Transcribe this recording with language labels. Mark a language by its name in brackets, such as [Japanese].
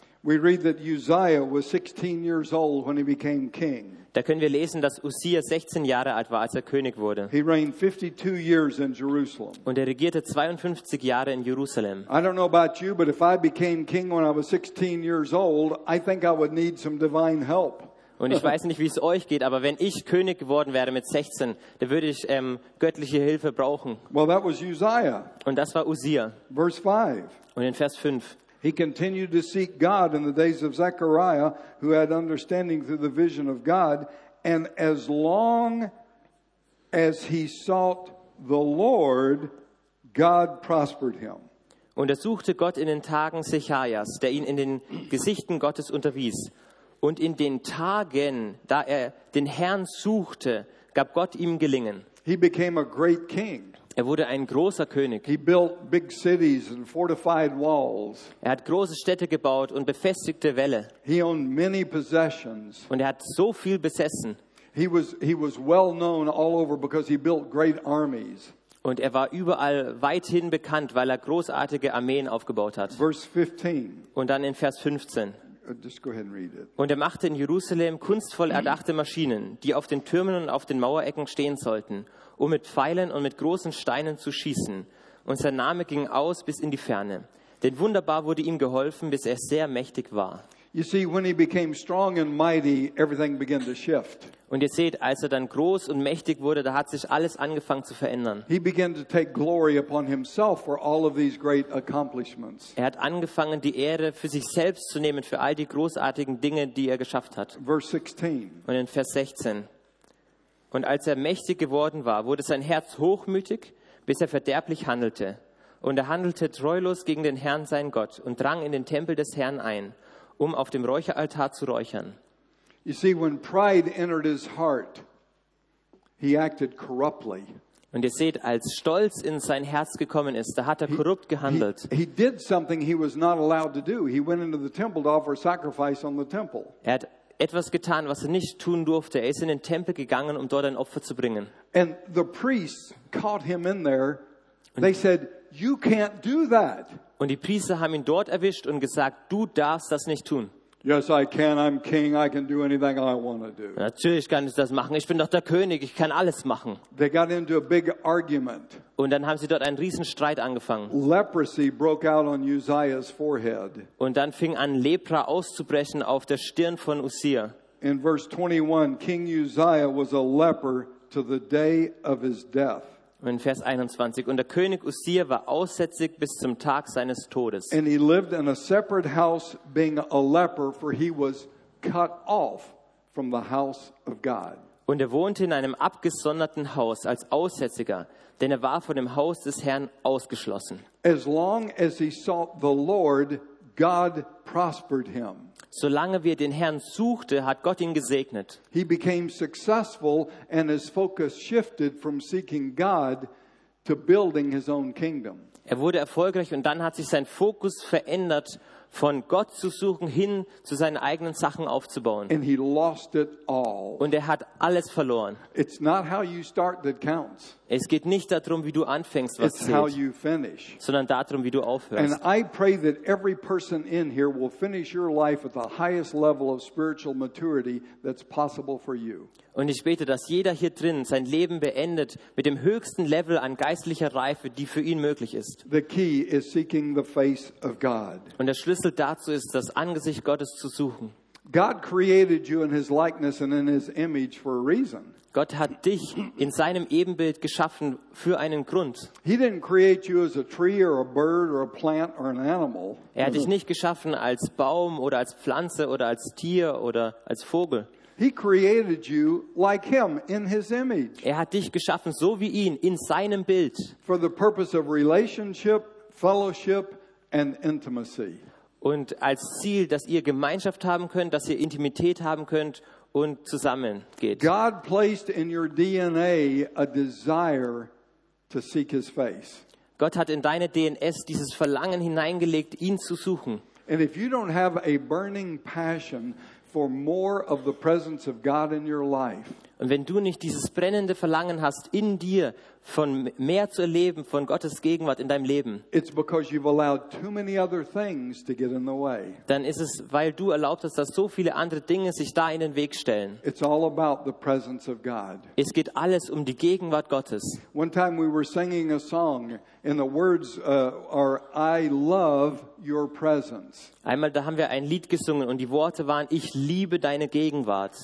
[English] We read that Uzziah was 16 years old when he became king. [German] Da können wir lesen, dass Uzziah 16 Jahre alt war, als er König wurde. [English] He reigned 52 years in Jerusalem. [German] Und er regierte 52 Jahre in Jerusalem. [English] I don't know about you, but if I became king when I was 16 years old, I think I would need some divine help. [German] Und ich weiß nicht, wie es euch geht, aber wenn ich König geworden wäre mit 16, dann würde ich göttliche Hilfe brauchen. [English] Well, that was Uzziah. [German] Und das war Uzziah. [English] Verse 5. [German] Und in Vers 5. [English] He continued to seek God in the days of Zechariah, who had understanding through the vision of God. And as long as he sought the Lord, God prospered him. [German] Und suchte Gott in den Tagen Zechariahs, der ihn in den Gesichten Gottes unterwies. Und in den Tagen, da den Herrn suchte, gab Gott ihm Gelingen. [English] He became a great king. [German] Wurde ein großer König. [English] He built big cities and fortified walls. [German] Hat große Städte gebaut und befestigte Wälle. [English] He owned many possessions. [German] Und hat so viel besessen. [English] He was well known all over because he built great armies. [German] Und war überall weithin bekannt, weil großartige Armeen aufgebaut hat. [English] Verse 15. [German] Und dann in Vers 15. [English] Just go ahead and read it. [German] Und machte in Jerusalem kunstvoll erdachte Maschinen, die auf den Türmen und auf den Mauerecken stehen sollten, um mit Pfeilen und mit großen Steinen zu schießen. Und sein Name ging aus bis in die Ferne. Denn wunderbar wurde ihm geholfen, bis er sehr mächtig war. [English] You see, when he became strong and mighty, everything began to shift. [German] Und ihr seht, als dann groß und mächtig wurde, da hat sich alles angefangen zu verändern. [English] He began to take glory upon himself for all of these great accomplishments. [German] Hat angefangen, die Ehre für sich selbst zu nehmen, für all die großartigen Dinge, die geschafft hat. [English] Verse 16. [German] Und in Vers 16. Und als mächtig geworden war, wurde sein Herz hochmütig, bis verderblich handelte. Und handelte treulos gegen den Herrn, seinen Gott, und drang in den Tempel des Herrn ein, auf dem Räucheraltar zu räuchern. [English] You see, when pride entered his heart, he acted corruptly. [German] Und ihr seht, als Stolz in sein Herz gekommen ist, da hat er korrupt gehandelt. [English] He did something he was not allowed to do. He went into the temple to offer sacrifice on the temple. [German] Er hat etwas getan, was er nicht tun durfte. Er ist in den Tempel gegangen, um dort ein Opfer zu bringen. [English] And the priests caught him in there. They said, "You can't do that." [German] Und die Priester haben ihn dort erwischt und gesagt, du darfst das nicht tun. [English] Yes, I can. I'm king. I can do anything I want to do. [German] Natürlich kann ich das machen. Ich bin doch der König. Ich kann alles machen. [English] They got into a big argument. [German] Und dann haben sie dort einen riesen Streit angefangen. [English] Leprosy broke out on Uzziah's forehead. [German] Und dann fing an, Lepra auszubrechen auf der Stirn von Uzzia. [English] In verse 21, King Uzziah was a leper to the day of his death. [German] In Vers 21, und der König Uzzia war aussätzig bis zum Tag seines Todes. [English] And he lived in a separate house being a leper, for he was cut off from the house of God. [German] Und er wohnte in einem abgesonderten Haus als Aussätziger, denn er war von dem Haus des Herrn ausgeschlossen. [English] As long as he sought the Lord, God prospered him. [German] Solange wir den Herrn suchte, hat Gott ihn gesegnet. [English] He became successful and his focus shifted from seeking God to building his own kingdom. [German] Er wurde erfolgreich und dann hat sich sein Fokus verändert, von Gott zu suchen hin zu seinen eigenen Sachen aufzubauen. [English] And he lost it all. [German] Und er hat alles verloren. [English] It's not how you start that counts. [German] Es geht nicht darum, wie du anfängst, was [English] it's [German] zählt, [English] how you finish. [German] Sondern darum, wie du aufhörst. [English] And I pray that every person in here will finish your life at the highest level of spiritual maturity that's possible for you. [German] Und ich bete, dass jeder hier drin sein Leben beendet mit dem höchsten Level an geistlicher Reife, die für ihn möglich ist. [English] The key is seeking the face of God. [German] Und der Schlüssel dazu ist, das Angesicht Gottes zu suchen. [English] God created you in his likeness and in his image for a reason. [German] Gott hat dich in seinem Ebenbild geschaffen für einen Grund. [English] He didn't create you as a tree or a bird or a plant or an animal. [German] Er hat dich nicht geschaffen als Baum oder als Pflanze oder als Tier oder als Vogel. [English] He created you like him in his image. [German] Er hat dich geschaffen so wie ihn in seinem Bild. [English] For the purpose of relationship, fellowship and intimacy. [German] Und als Ziel, dass ihr Gemeinschaft haben könnt, dass ihr Intimität haben könnt und zusammen geht. [English] God placed in your DNA a desire to seek his face. [German] Gott hat in deine DNS dieses Verlangen hineingelegt, ihn zu suchen. [English] And if you don't have a burning passion for more of the presence of God in your life. [German] Und wenn du nicht dieses brennende Verlangen hast in dir von mehr zu erleben von Gottes Gegenwart in deinem Leben. [English] It's because you've allowed too many other things to get in the way. [German] Dann ist es, weil du erlaubt hast, dass so viele andere Dinge sich da in den Weg stellen. [English] It's all about the presence of God. [German] Es geht alles um die Gegenwart Gottes. [English] One time we were singing a song and the words are I love your presence. [German] Einmal da haben wir ein Lied gesungen und die Worte waren ich liebe deine Gegenwart.